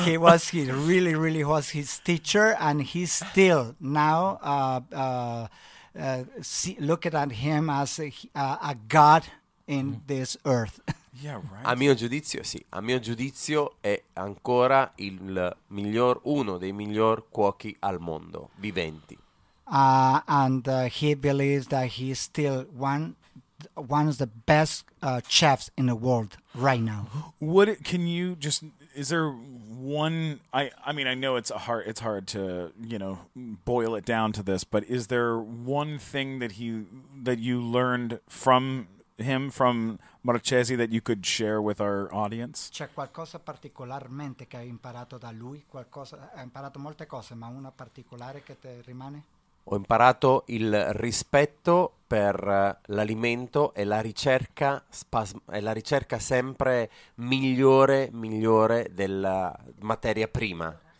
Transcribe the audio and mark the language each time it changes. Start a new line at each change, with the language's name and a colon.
English: He was, he really, really was his teacher, and he's still now, looking at him as a god in this earth. Yeah, right.
Italian: A mio giudizio, sì. A mio giudizio è ancora il miglior, uno dei miglior cuochi al mondo, viventi.
English: And he believes that he's still one of the best chefs in the world right now. What can you just? Is there one? I mean, I know it's a hard. It's hard to, you know, boil it down to this. But is there one thing that you learned from him, from Marchesi, that you could share with our audience?
Italian: C'è qualcosa particolarmente che hai imparato da lui? Qualcosa, hai imparato molte cose, ma una particolare che ti rimane? Ho imparato il rispetto per l'alimento e la ricerca sempre migliore della materia prima.